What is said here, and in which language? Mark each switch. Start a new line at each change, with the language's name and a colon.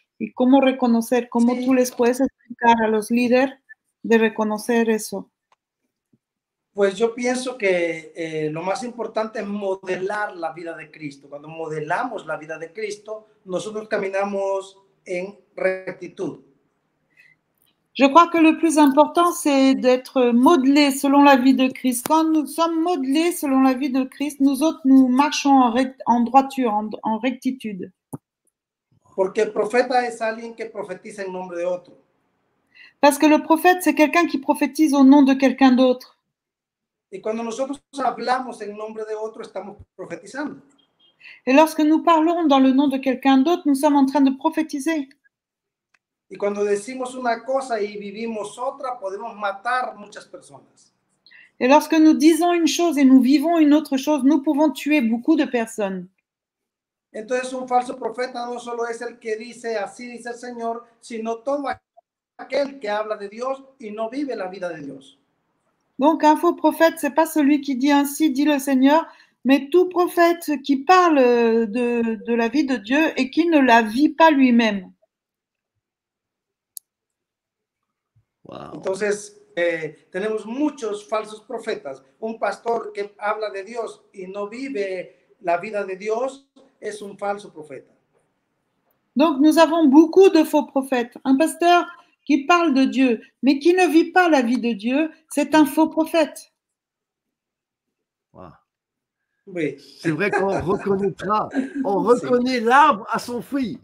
Spanish: ¿Y cómo reconocer? ¿Cómo sí. tú les puedes explicar a los líderes de reconocer eso? Pues yo pienso que lo más importante es modelar la vida de Cristo. Cuando modelamos la vida de Cristo, nosotros caminamos en rectitud.
French: Je crois que le plus important, c'est d'être modelé selon la vie de Christ. Quand nous sommes modelés selon la vie de Christ, nous autres, nous marchons en droiture, en rectitude.
Spanish: Porque el profeta es alguien que profetiza en nombre de otro.
French: Parce que le prophète, c'est quelqu'un qui prophétise au nom de quelqu'un d'autre.
Spanish: Y cuando nosotros hablamos en nombre de otro, estamos profetizando.
French: Et lorsque nous parlons dans le nom de quelqu'un d'autre, nous sommes en train de prophétiser.
Spanish: Y cuando decimos una cosa y vivimos otra, podemos matar muchas personas.
French: Et lorsque nous disons une chose et nous vivons une autre chose, nous pouvons tuer beaucoup de personnes.
Spanish: Entonces un falso profeta no solo es el que dice así dice el Señor, sino todo aquel que habla de Dios y no vive la vida de Dios.
French: Donc un faux prophète, c'est pas celui qui dit ainsi dit le Seigneur, mais tout prophète qui parle de la vie de Dieu et qui ne la vit pas lui-même. Wow.
Spanish: Entonces, tenemos muchos falsos profetas. Un pastor que habla de Dios y no vive la vida de Dios es un falso profeta.
French: Donc nous avons beaucoup de faux prophètes. Un pasteur qui parle de Dieu, mais qui ne vit pas la vie de Dieu, c'est un faux prophète. Wow. Oui. C'est vrai qu'on reconnaîtra, on reconnaît l'arbre à son fruit.